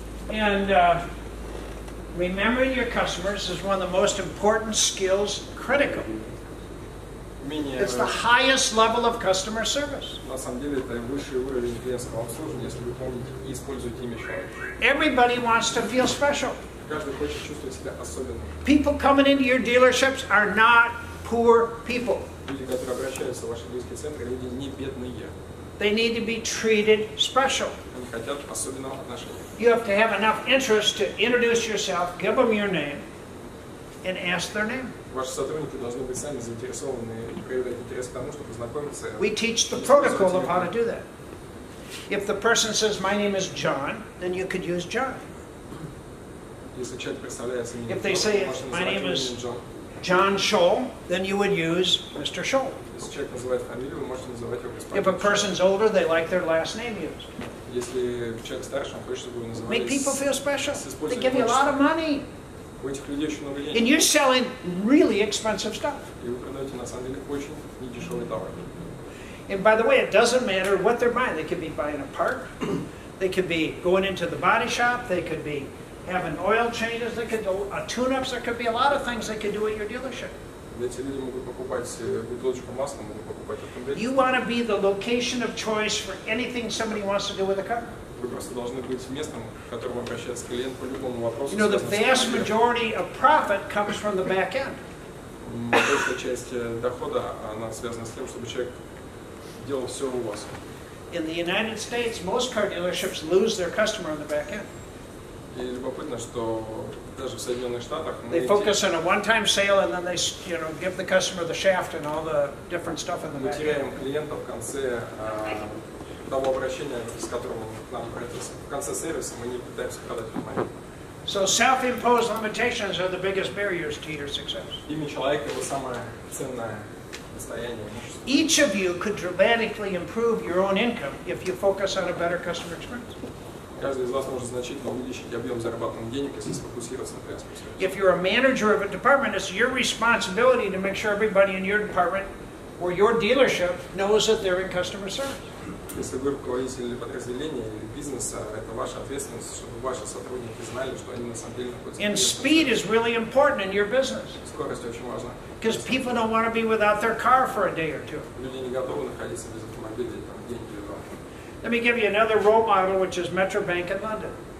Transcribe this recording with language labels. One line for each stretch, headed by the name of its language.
English: And remembering your customers is one of the most important skills critical. It's the highest level of customer service.
Russian: На самом деле это высший уровень клиентского обслуживания, если вы помните и используете имя человека.
English: Everybody wants to feel special.
Russian: Каждый хочет чувствовать себя особенным.
English: People coming into your dealerships are not poor people.
Russian: Люди, которые обращаются в ваши дилерские центры, люди не бедные.
English: They need to be treated special.
Russian: Они хотят особенного отношения.
English: You have to have enough interest to introduce yourself, give them your name. And ask their name.
Russian: Ваши сотрудники должны быть сами заинтересованы и проявлять интерес к тому, чтобы познакомиться.
English: We teach the protocol of how to do that. If the person says, "My name is John," then you could use John.
Russian: Если человек представляется именем
English: John, if they say, "My name is John Tschohl," then you would use Mr. Tschohl.
Russian: Если человек называет фамилию, вы можете называть его господин.
English: If a person's older, they like their last name used.
Russian: Если человек старше, он хочет, чтобы его называли.
English: Make people feel special. They give you a lot of money.
Russian: У этих людей еще много денег.
English: And you're selling really expensive stuff.
Russian: И вы продаете на самом деле очень недешевый товар.
English: And by the way, it doesn't matter what they're buying. They could be buying a part. They could be going into the body shop. They could be having oil changes. They could do tune-ups. There could be a lot of things they could do at your dealership.
Russian: Эти люди могут покупать бутылочку масла, могут покупать автомобиль.
English: You want to be the location of choice for anything somebody wants to do with a car.
Russian: Вы просто должны быть местом, к которому обращается клиент по любому вопросу.
English: You know, the vast majority of profit comes from the back end.
Russian: Большая часть дохода, она связана с тем, чтобы человек делал все у вас.
English: In the United States, most car dealerships lose their customer on the back end.
Russian: И любопытно, что даже в Соединенных Штатах
English: they focus on a one-time sale and then they, you know, give the customer the shaft and all the different stuff in the back end.
Russian: Мы теряем клиента в конце. Того обращения, с которым он к нам обратился. В конце сервиса мы не пытаемся продать внимание.
English: So self-imposed limitations are the biggest barriers to your success.
Russian: Имя человека – это самое ценное достояние.
English: Each of you could dramatically improve your own income if you focus on a better customer experience.
Russian: Каждый из вас может значительно увеличить объем зарабатываемых денег, если сфокусироваться на клиентском сервисе.
English: If you're a manager of a department, it's your responsibility to make sure everybody in your department or your dealership knows that they're in customer service.
Russian: Если вы руководитель подразделения или бизнеса, это ваша ответственность, чтобы ваши сотрудники знали, что они на самом деле находятся.
English: And speed is really important in your business.
Russian: Скорость очень важна.
English: Because people don't want to be without their car for a day or two.
Russian: Люди не готовы находиться без автомобиля там день или два.
English: Let me give you another role model, which is Metro Bank in London.